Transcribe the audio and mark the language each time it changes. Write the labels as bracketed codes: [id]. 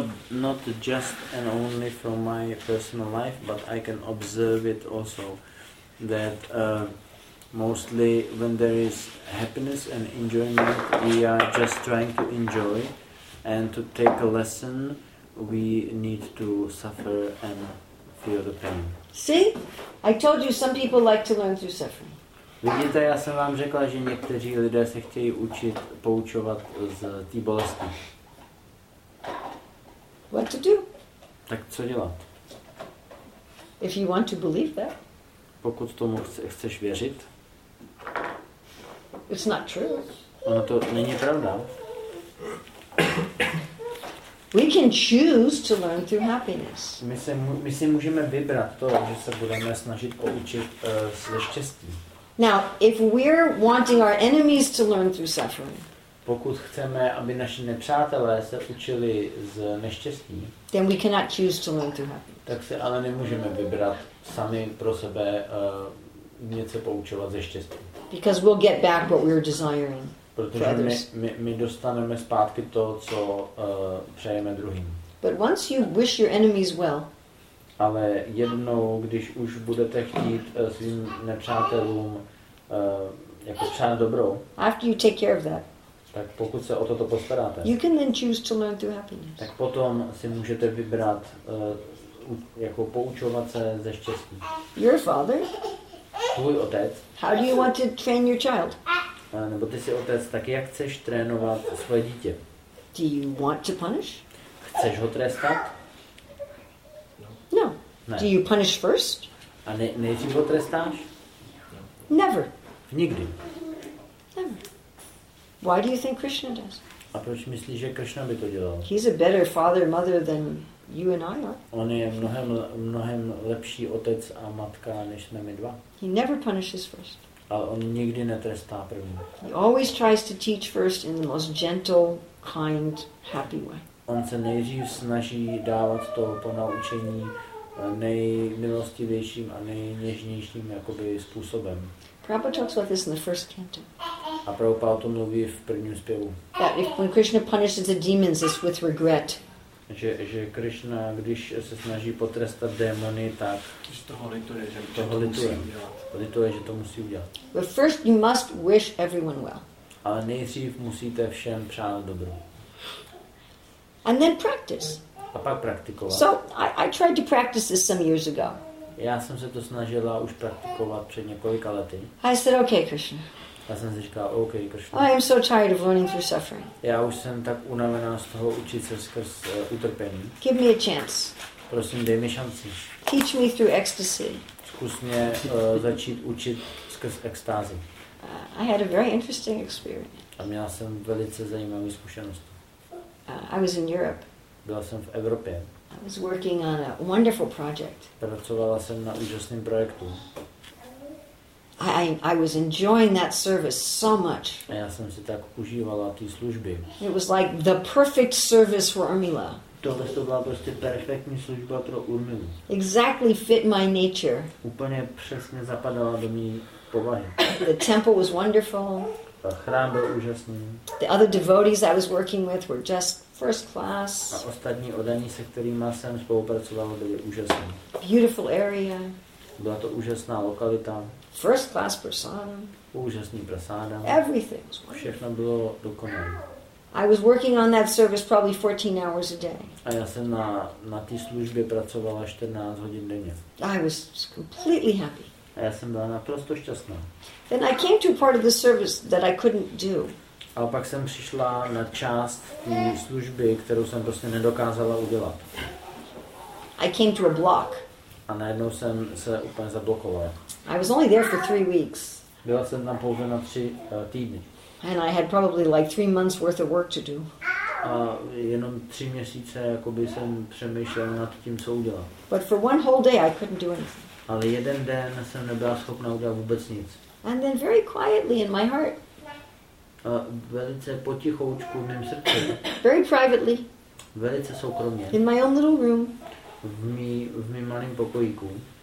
[en] Not just and only from my personal life, but I can observe it also that mostly when there is happiness and enjoyment, we are just trying to enjoy, and to take a lesson, we need to suffer and feel the pain. See, I told you some people like to learn through suffering. [cs] Vidíte, já jsem vám řekla, že někteří lidé se chtějí učit poučovat z té bolesti. [en] What to do? [cs] Tak co dělat? [en] If you want to believe that. [cs] Pokud tomu chceš věřit. [en] It's not true. [cs] Ono to není pravda. [en] We can choose to learn through happiness. [cs] My si můžeme vybrat to, že se budeme snažit poučit ze štěstí. [en] Now, if we're wanting our enemies to learn through suffering. [cs] Pokud chceme, aby naši nepřátelé se učili z neštěstí. [en] Then we cannot choose to learn through happiness. [cs] Tak si ale nemůžeme vybrat sami pro sebe něco poučovat ze štěstí. [en] Because we'll get back what we're desiring. [cs] Protože my dostaneme zpátky to, co přejeme druhým. [en] But once you wish your enemies well, [cs] ale jednou, když už budete chtít svým nepřátelům jako přát dobrou, [en] after you take care of that, [cs] tak pokud se o toto postaráte, [en] you can then choose to learn through happiness. [cs] Tak potom si můžete vybrat jako poučovat se ze štěstí. [en] Your father, [cs] tvůj otec, [en] how do you want to train your child? [cs] Nebo ty jsi otec, tak jak chceš trénovat svoje dítě? [en] Do you want to punish? [cs] Chceš ho trestat? [en] No. [cs] Ne. [en] Do you punish first? [cs] A nejdřív ho trestáš? [en] Never. [cs] Nikdy. [en] Never. Why do you think Krishna does? [cs] A proč myslíš, že Krishna by to dělal? [en] He's a better father, mother than you and I are. [cs] On je mnohem lepší otec a matka než jsme my dva. [en] He never punishes first. [cs] Ale on nikdy netrestá první. [en] He always tries to teach first in the most gentle, kind, happy way. [cs] On se nejdřív snaží dávat to ponaučení nejmilostivějším a nejněžnějším jakoby způsobem. [en] Prabhupada talks about this in the first canto. [cs] A Prabhupada o tom mluví v prvním zpěvu. [en] That if when Krishna punishes the demons, it's with regret. [cs] Že Krishna, když se snaží potrestat démony, tak toho lituje, že to musí udělat. [en] But first you must wish everyone well. [cs] Ale nejdřív musíte všem přát dobro. [en] And then practice. [cs] A pak praktikovat. [en] So I tried to practice this some years ago. [cs] Já jsem se to snažila už praktikovat před několika lety. [en] I said, okay, Krishna. [cs] Já jsem si říkal, okay, Krishna. [en] I am so tired of learning through suffering. [cs] Já už jsem tak unavená z toho učit se skrz utrpení. [en] Give me a chance. [cs] Prosím, dej mi šanci. [en] Teach me through ecstasy. [cs] Zkus mě začít učit skrz extázi. [en] I had a very interesting experience. [cs] A měla jsem velice zajímavý zkušenost. [en] I was in Europe. [cs] Byla jsem v Evropě. [en] I was working on a wonderful project. [cs] Pracovala jsem na úžasném projektu. [en] I was enjoying that service so much. [cs] A já jsem si tak užívala té služby. [en] It was like the perfect service for Urmila. [cs] Tohle to byla prostě perfektní služba pro Urmilu. [en] Exactly fit my nature. [cs] Úplně přesně zapadala do mý povahy. [en] The temple was wonderful. [cs] A chrám byl úžasný. [en] The other devotees I was working with were just first class. [cs] A ostatní oddaní, se kterými jsem spolupracovala, byli úžasní. [en] Beautiful area. [cs] Byla to úžasná lokalita. [en] First class prasadam. [cs] Úžasný prasadam. [en] Everything was wonderful. [cs] Všechno bylo dokonalé. [en] I was working on that service probably 14 hours a day. [cs] A já jsem na té službě pracovala 14 hodin denně. [en] I was completely happy. [cs] A já jsem byla naprosto šťastná. [en] Then I came to a part of the service that I couldn't do. [cs] A pak jsem přišla na část té služby, kterou jsem prostě nedokázala udělat. [en] I came to a block. [cs] A najednou jsem se úplně zablokovala. [en] I was only there for 3 weeks. [cs] Byla jsem tam pouze na 3 týdny. [en] And I had probably like 3 months worth of work to do. [cs] A jenom 3 měsíce jakoby jsem přemýšlel nad tím, co udělat. [en] But for one whole day I couldn't do anything. [cs] Ale jeden den jsem nebyla schopna udělat vůbec nic. [en] And then very quietly in my heart. [cs] A velice potichoučku v mém srdci. [en] Very privately. [cs] Velice soukromně. [en] In my own little room. [cs] V mým malým pokojíku.